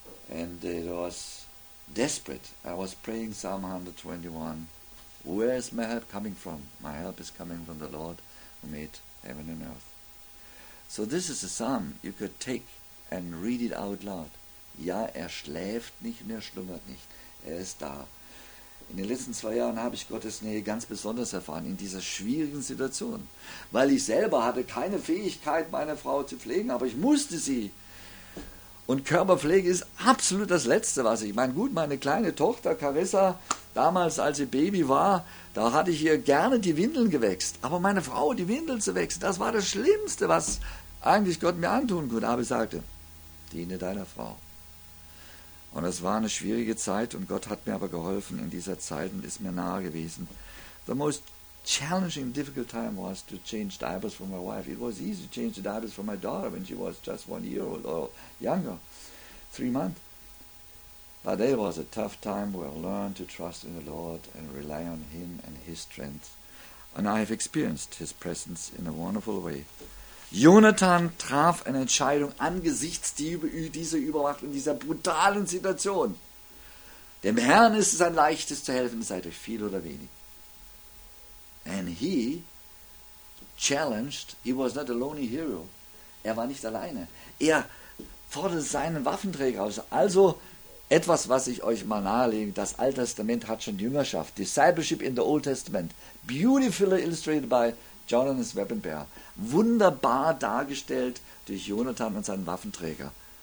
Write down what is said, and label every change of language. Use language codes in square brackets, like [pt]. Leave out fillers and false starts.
[en] And it was desperate. I was praying Psalm 121. Where is my help coming from? My help is coming from the Lord who made heaven and earth. So this is a psalm you could take and read it out loud. [de] Ja, er schläft nicht und er schlummert nicht. Er ist da. In den letzten 2 Jahren habe ich Gottes Nähe ganz besonders erfahren, in dieser schwierigen Situation. Weil ich selber hatte keine Fähigkeit, meine Frau zu pflegen, aber ich musste sie. Und Körperpflege ist absolut das Letzte, was ich meine. Gut, meine kleine Tochter Carissa, damals als sie Baby war, da hatte ich ihr gerne die Windeln gewechselt. Aber meine Frau, die Windeln zu wechseln, das war das Schlimmste, was eigentlich Gott mir antun konnte. Aber ich sagte, diene deiner Frau. Und es war eine schwierige Zeit und Gott hat mir aber geholfen in dieser Zeit und ist mir nahe gewesen. [en] The most challenging, difficult time was to change diapers for my wife. It was easy to change the diapers for my daughter when she was just 1 year old or younger, 3 months. But there was a tough time where I learned to trust in the Lord and rely on Him and His strength. And I have experienced His presence in a wonderful way. [de] Jonathan traf eine Entscheidung angesichts dieser Übermacht und dieser brutalen Situation. Dem Herrn ist es ein leichtes zu helfen, sei durch viel oder wenig. [en] And he challenged, he was not a lonely hero. [de] Er war nicht alleine. Er forderte seinen Waffenträger aus. Also etwas, was ich euch mal nahelege, das Alte Testament hat schon Jüngerschaft. [en] Discipleship in the Old Testament. Beautifully illustrated by Jonathan Swebenbear. [de] Wunderbar dargestellt durch Jonathan und seinen Waffenträger.